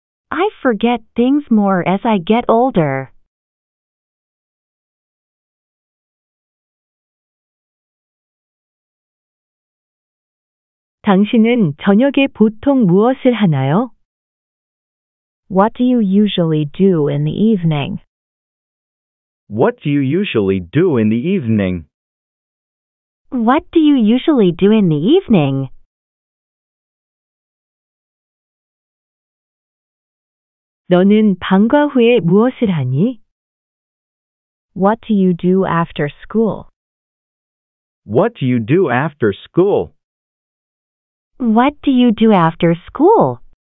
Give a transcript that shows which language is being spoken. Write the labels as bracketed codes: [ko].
[en] I forget things more as I get older. [ko] 당신은 저녁에 보통 무엇을 하나요? [en] What do you usually do in the evening? What do you usually do in the evening? What do you usually do in the evening? [ko] 너는 방과 후에 무엇을 하니? [en] What do you do after school? What do you do after school? What do you do after school?